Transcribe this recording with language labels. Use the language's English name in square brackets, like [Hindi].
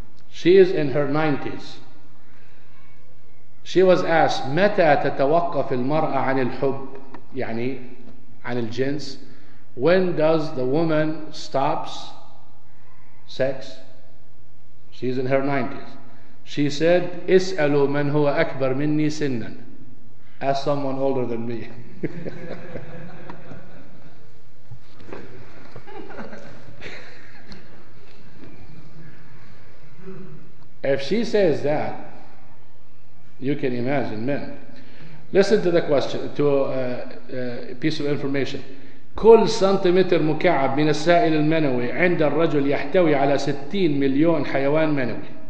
[English] She is in her 90s. She was asked, [Arabic] متى تتوقف المرأة عن الحب, يعني عن الجنس, [English] when does the woman stops sex? She's in her 90s. She said, [Arabic] اسألوا من هو أكبر مني سنا. [English] Ask someone older than me. If she says that, you can imagine men. Listen to the question, to a piece of information. [Arabic] كل سنتيمتر مكعب من السائل المنوي عند الرجل يحتوي على 60 مليون حيوان منوي.